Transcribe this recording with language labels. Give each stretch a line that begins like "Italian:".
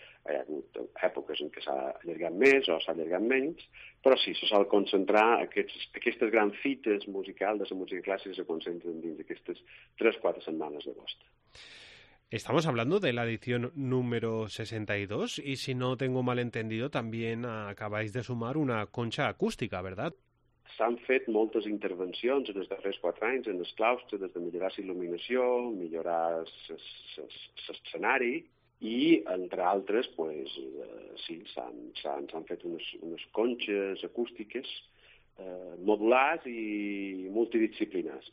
Catalan: Hi ha hagut èpoques en què s'ha allargat més o s'ha allargat menys, però sí, se sol concentrar aquestes grans fites musicals de la música clàssica se concentren dins d'aquestes 3-4 setmanes d'agost.
Spanish: Estamos hablando de la edición número 62 y si no tengo mal entendido también acabáis de sumar una concha acústica, ¿verdad?
Catalan: S'han fet moltes intervencions en els darrers 4 anys en el claustre, des de millorar la il·luminació, millorar l'escenari, i entre altres, pues, sí, s'han fet unes conxes acústiques modulars i multidisciplinars.